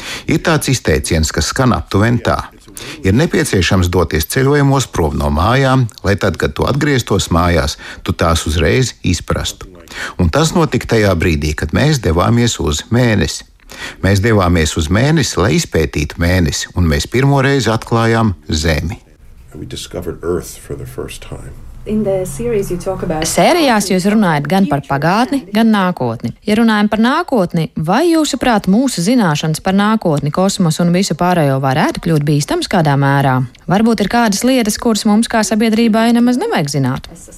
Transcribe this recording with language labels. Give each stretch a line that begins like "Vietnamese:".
Latvian: Ir tāds izteiciens, kas skan aptuven tā. Ir nepieciešams doties ceļojumos prom no mājām, lai tad, kad tu atgrieztos mājās, tu tās uzreiz izprastu. Un tas notika tajā brīdī, kad mēs devāmies uz mēnesi. Mēs devāmies uz mēnesi, lai izpētītu mēnesi, un mēs pirmo reizi atklājām Zemi.
English: We discovered Earth for the first time. In the series you talk about...
Latvian: Sērijās jūs runājat gan par pagātni, gan nākotni. Ja runājam par nākotni, vai jūsuprāt mūsu zināšanas par nākotni, kosmosu un visu pārējo varētu kļūt bīstams kādā mērā? Varbūt ir kādas lietas, kuras mums kā sabiedrībai nemaz nevajag zināt?